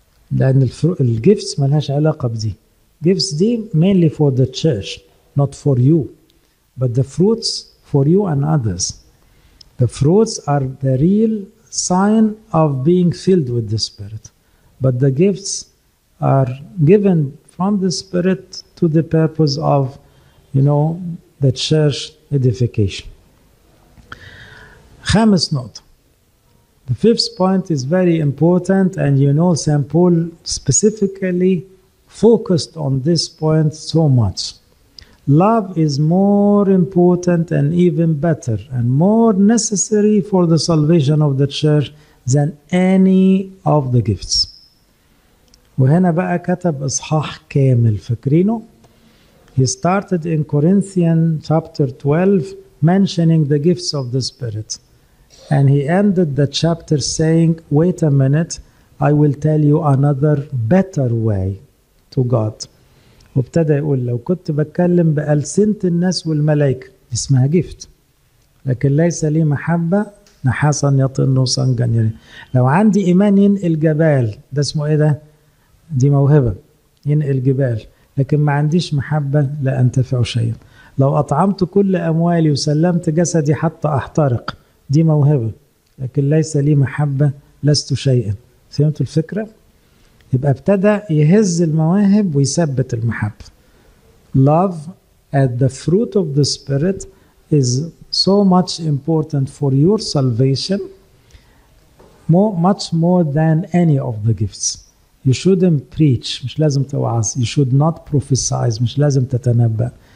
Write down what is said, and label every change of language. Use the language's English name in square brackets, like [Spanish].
[Arabic] لأن الجيفتس ملهاش علاقة بدي. جيفتس دي [English] mainly for the church, not for you. But the fruits for you and others. The fruits are the real sign of being filled with the Spirit. But the gifts are given from the Spirit to the purpose of, you know, the church edification. [Arabic] خامس نقطة. [English] The fifth point is very important, and you know St. Paul specifically focused on this point so much. Love is more important and even better and more necessary for the salvation of the church than any of the gifts. [Arabic] وهنا بقى كتب إصحاح كامل فاكرينه. [English] He started in Corinthians chapter 12 mentioning the gifts of the Spirit. And he ended the chapter saying, wait a minute, I will tell you another better way to God. [Arabic] وابتدى يقول لو كنت بتكلم بألسنة الناس والملائكة اسمها جيفت، لكن ليس لي محبة نحاسا يطن صنجا. لو عندي إيمان ينقل جبال، ده اسمه إيه ده؟ دي موهبة ينقل جبال. لكن ما عنديش محبة لا أنتفع شيئا. لو أطعمت كل أموالي وسلمت جسدي حتى أحترق، دي موهبة لكن ليس لي محبة لست شيئا. فهمتوا الفكرة؟ يبقى ابتدى يهز المواهب ويثبت المحبة. [English] Love at the fruit of the spirit is so much important for your salvation, much more than any of the gifts. You shouldn't preach, [Arabic] مش لازم توعظ. [English] You should not prophesize, [Arabic] مش لازم تتنبأ.